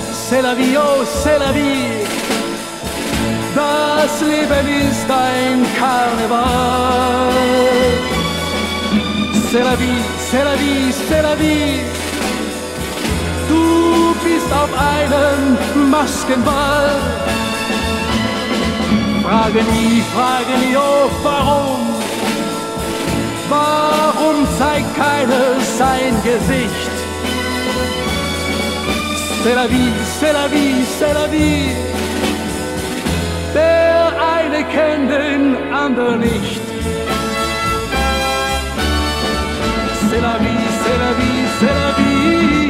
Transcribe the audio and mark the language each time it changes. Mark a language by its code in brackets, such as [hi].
[fr] C'est la vie, oh c'est la vie. [de] Das Leben ist ein Karneval. [fr] C'est la vie, c'est la vie, c'est la vie. [de] Du bist auf einem Maskenball. Frage nie, oh warum? Warum zeigt keiner sein Gesicht? [fr] C'est la vie, c'est la vie, c'est la vie. [de] Der eine kennt den anderen nicht. [fr] C'est la vie, c'est la vie, c'est la vie.